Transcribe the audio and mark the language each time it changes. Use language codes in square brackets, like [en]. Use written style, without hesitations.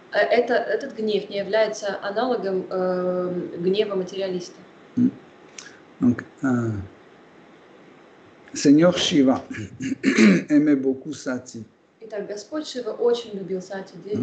[ru] Этот гнев не является аналогом гнева материалиста. [fr] Donc, Seigneur Shiva aimait beaucoup Sati. [ru] Итак, Господь Шива очень любил Сати.